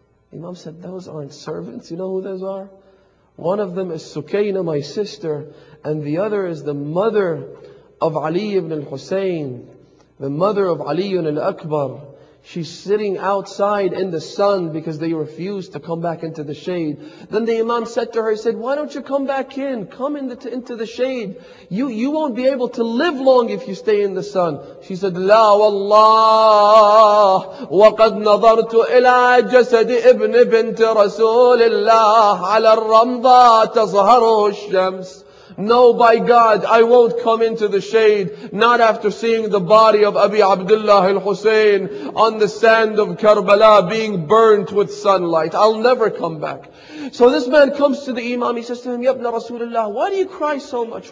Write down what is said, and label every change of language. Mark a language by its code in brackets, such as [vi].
[en] The Imam said, those aren't servants. You know who those are? One of them is Sukayna, my sister, and the other is the mother of Ali ibn al-Husayn, the mother of Ali ibn al-Akbar. She's sitting outside in the sun because they refused to come back into the shade. Then the Imam said to her, he said, why don't you come back in? Come into the shade. You won't be able to live long if you stay in the sun. She said, [ar] لا والله وقد نظرت إلى جسد ابن بنت رسول الله على الرمضة تظهره الشمس. [en] No, by God, I won't come into the shade, not after seeing the body of Abi Abdullah al-Hussein on the sand of Karbala being burnt with sunlight. I'll never come back. So this man comes to the Imam, he says to him, Ya Ibn Rasulullah, why do you cry so much?